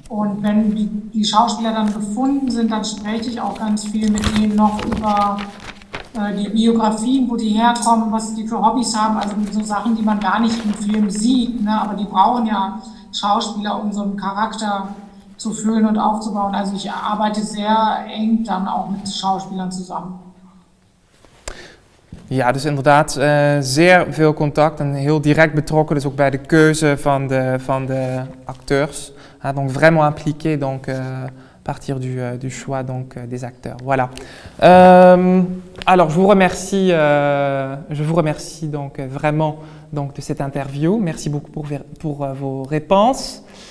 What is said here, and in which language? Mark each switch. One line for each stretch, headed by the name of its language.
German: Und wenn die Schauspieler dann gefunden sind, dann spreche ich auch ganz viel mit ihnen noch über die Biografien, wo die herkommen, was die für Hobbys haben. Also so Sachen, die man gar nicht im Film sieht. Ne? Aber die brauchen ja Schauspieler, um so einen Charakter zu füllen und aufzubauen. Also ich arbeite sehr eng dann auch mit Schauspielern zusammen.
Dutch: Ja, dus inderdaad zeer veel contact en heel direct betrokken, dus ook bij de keuze van de acteurs.
French: Ah, donc vraiment impliqué, donc partir du choix donc des acteurs. Voilà. Alors je vous remercie donc vraiment donc de cette interview. Merci beaucoup pour vos réponses.